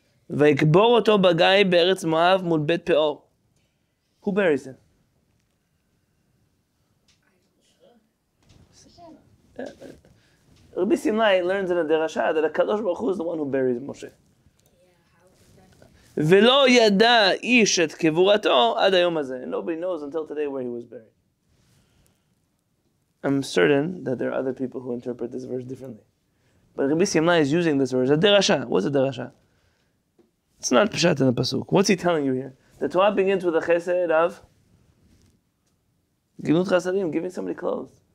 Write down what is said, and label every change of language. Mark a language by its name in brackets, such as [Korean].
[Hebrew] Vayikbor oto bagai be'eretz Moav mul bet Peor. [English] Who buries him? Rabbi Simlai learns in the Derashah that the Kadosh Baruch Hu is the one who buries Moshe. [Hebrew] ולא ידע איש את קבורתו עד היום הזה. [English] Nobody knows until today where he was buried. I'm certain that there are other people who interpret this verse differently. But Rabbi Simlai is using this verse. Derasha. What's a derasha? It's not pshat in the pasuk. What's he telling you here? The Torah begins with the chesed of gilut chasadim, giving somebody clothes.